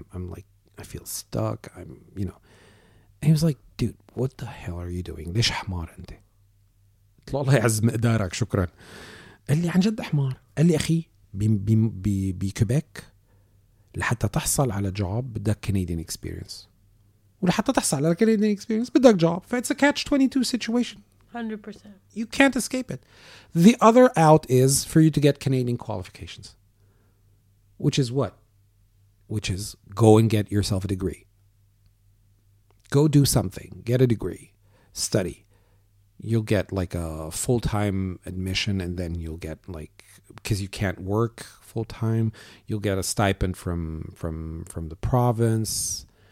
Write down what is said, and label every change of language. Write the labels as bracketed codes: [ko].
[en] I'm like, I feel stuck. I'm, you know. And he was like, dude, what the hell are you doing? [ar] ليش حمار انت؟ طلع لي عزم ادارك شكرا. قال لي عن جد حمار. قال لي اخي بكيبيك لحتى تحصل على جوب بدك [en] Canadian experience. [ar] ولحتى تحصل على [en] Canadian experience [ar] بدك جوب. [en] فإتس a catch 22 situation. 100%. You can't escape it. The other out is for you to get Canadian qualifications. Which is what? Which is go and get yourself a degree. Go do something. Get a degree. Study. You'll get like a full-time admission and then you'll get like, because you can't work full-time, you'll get a stipend from the province.